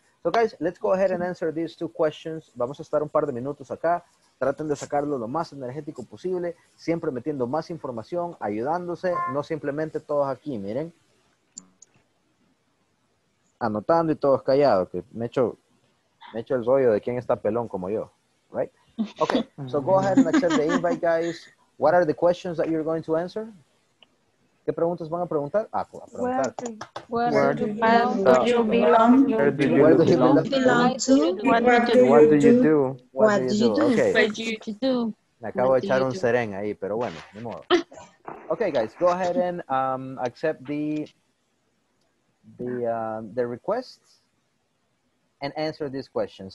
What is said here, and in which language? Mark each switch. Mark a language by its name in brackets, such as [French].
[English] So guys, let's go ahead and answer these two questions. [Spanish] Vamos a estar un par de minutos acá. Traten de sacarlo lo más energético posible, siempre metiendo más información, ayudándose, no simplemente todos aquí, miren. Anotando y todos callados, que me echo el rollo de quién está pelón como yo, right? [English] Okay, so go ahead and accept the invite, guys. What are the questions that you're going to answer? [Spanish] ¿Qué preguntas van a preguntar? Ah, a preguntar. [English] Where do you belong to? Okay. What do you do? [Spanish] Me acabo de echar un serén ahí, pero bueno, ni modo. [English] Okay, guys, go ahead and accept the requests and answer these questions.